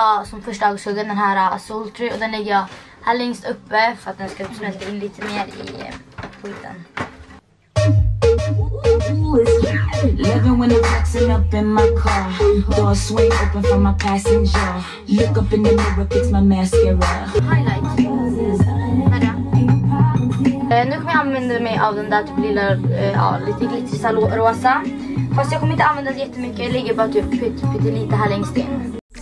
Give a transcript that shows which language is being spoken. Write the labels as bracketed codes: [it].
[sv] Som första ögonskuggan, den här Sultry, och den lägger jag här längst uppe för att den ska smälta in lite mer i skiten. [en] Living when I'm flexing up in my car, door swing open for my passenger, look up in the mirror, fix my mascara. [sv] Highlight. Nu kommer jag använda mig av den där typ lilla lite glittriga rosa, fast jag kommer inte använda det jättemycket, jag lägger bara typ pyttelite här längst in.